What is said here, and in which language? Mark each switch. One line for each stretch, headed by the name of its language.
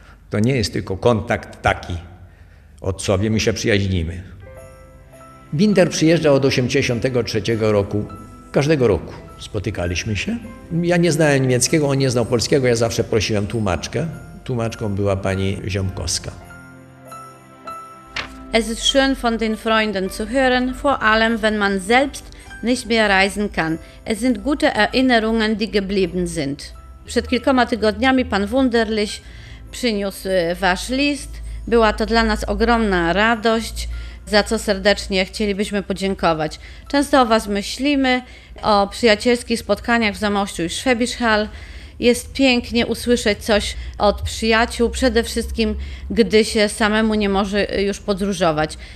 Polish: To nie jest tylko kontakt taki, ojcowie, my się przyjaźnimy. Binder przyjeżdżał od 83 roku, każdego roku spotykaliśmy się. Ja nie znałem niemieckiego, on nie znał polskiego, ja zawsze prosiłem tłumaczkę. Tłumaczką była pani Ziomkowska.
German: Es ist schön von den Freunden zu hören, vor allem wenn man selbst nicht mehr reisen kann. Es sind gute Erinnerungen, die geblieben sind.
Polish: Przed kilkoma tygodniami pan Wunderlich przyniósł wasz list. Była to dla nas ogromna radość, za co serdecznie chcielibyśmy podziękować. Często o was myślimy, o przyjacielskich spotkaniach w Zamościu i Schwäbisch Hall. Jest pięknie usłyszeć coś od przyjaciół, przede wszystkim, gdy się samemu nie może już podróżować.